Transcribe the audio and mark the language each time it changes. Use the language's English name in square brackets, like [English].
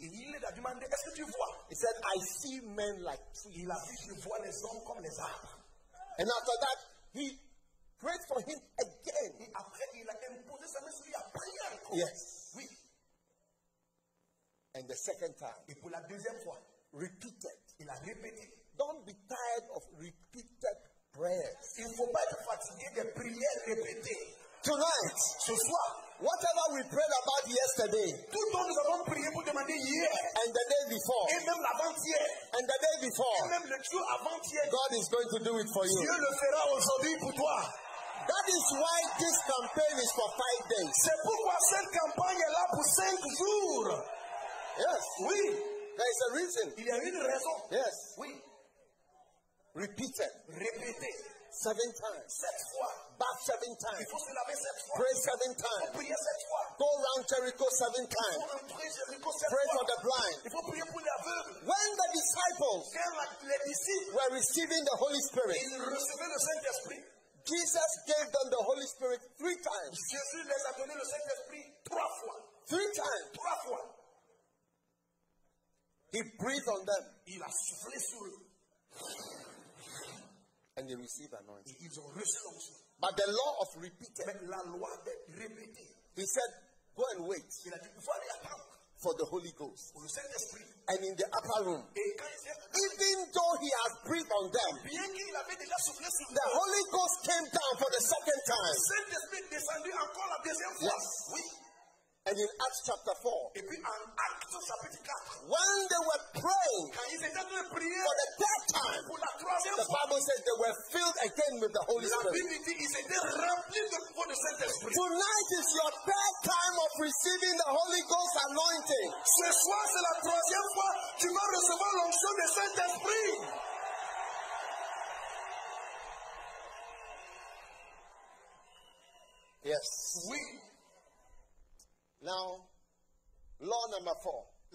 [French] Et il lui a demandé, est-ce que tu vois? [English] He said, I see men like trees. [French] Il a dit, je vois les hommes comme les arbres. [English] And after that, he prayed for him again. [French] Et après, il a imposé sa main sur lui, a prié encore. [English] Yes. [French] Oui. [English] And the second time. [French] Et pour la deuxième fois. [English] Repeated. [French] Il a répété. [English] Don't be tired of repeated prayers. [French] Il ne faut pas être fatigué de prières répétées. [English] Tonight. [French] Ce soir. [English] Whatever we prayed about yesterday. [French] Tout ce que nous avons prié pour demander hier. [English] And the day before. [French] Et même l'avant-hier. [English] And the day before. [French] Et même le jour avant-hier. [English] God is going to do it for you. [French] Dieu le fera aujourd'hui pour toi. [English] That is why this campaign is for 5 days. [French] C'est pourquoi cette campagne est là pour 5 jours. [English] Yes. [French] Oui. [English] There is a reason. [French] Il y a une raison. [English] Yes. [French] Oui. [English] Repeated. [French] Répété. [English] 7 times. [French] 7 fois. [English] Bath 7 times. [French] Il faut se laver 7 fois. [English] Pray 7 times. [French] Il faut prier 7 fois. [English] Go around Jericho 7 times. [French] Il faut entrer Jericho 7 fois. [English] Pray for the blind. [French] Il faut prier pour les aveugles. [English] When the disciples, were receiving the Holy Spirit, [French] ils recevaient le Saint-Esprit. [English] Jesus gave them the Holy Spirit 3 times. [French] Jésus les a donné le Saint-Esprit 3 fois. [English] 3 times. [French] 3 fois. [English] He breathed on them. [French] Il a soufflé sur eux. [English] And they received anointing. [French] Ils ont reçu l'onction. [English] But the law of repeating. [French] Mais la loi de répéter. [English] He said, go and wait. [French] Il a dit, il faut aller attendre. [English] for the Holy Ghost. And in the upper room, even though he has breathed on them, the Holy Ghost came down for the second time. Yes. And in Acts chapter 4, when they were praying for the third time, the Bible says they were filled again with the Holy Spirit. Tonight is your third time of receiving the Holy Ghost anointing. [French] Ce soir, c'est la troisième fois que tu vas recevoir l'onction du Saint-Esprit. [English] Yes. [French] Oui. [English] Now, law number 4.